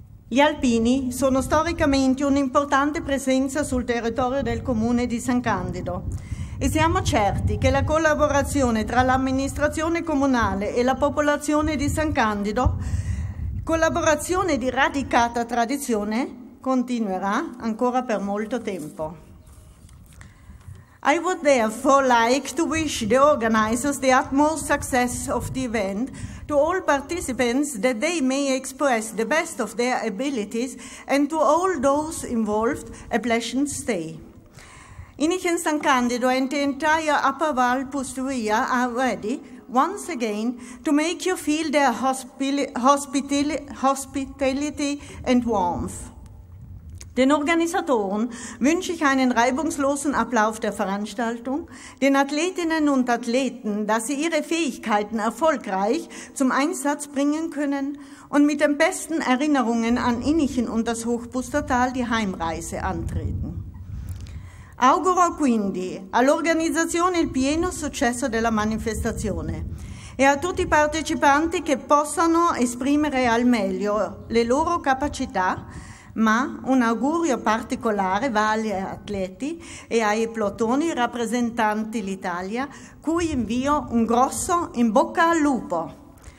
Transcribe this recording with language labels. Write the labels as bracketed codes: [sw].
[it] Gli alpini sono storicamente un'importante presenza sul territorio del comune di San Candido e siamo certi che la collaborazione tra l'amministrazione comunale e la popolazione di San Candido, collaborazione di radicata tradizione, continuerà ancora per molto tempo. [en] I would therefore like to wish the organizers the utmost success of the event, to all participants that they may express the best of their abilities, and to all those involved a pleasant stay. Inichen San Candido and the entire Upper Val Pustuia are ready once again to make you feel their hospitality and warmth. [de] Den Organisatoren wünsche ich einen reibungslosen Ablauf der Veranstaltung, den Athletinnen und Athleten, dass sie ihre Fähigkeiten erfolgreich zum Einsatz bringen können und mit den besten Erinnerungen an Innichen und das Hochpustertal die Heimreise antreten. [it] Auguro quindi all'Organisazione il pieno successo della manifestazione e a tutti i partecipanti che possano esprimere al meglio le loro capacità. Ma un augurio particolare va agli atleti e ai plotoni rappresentanti l'Italia, cui invio un grosso in bocca al lupo.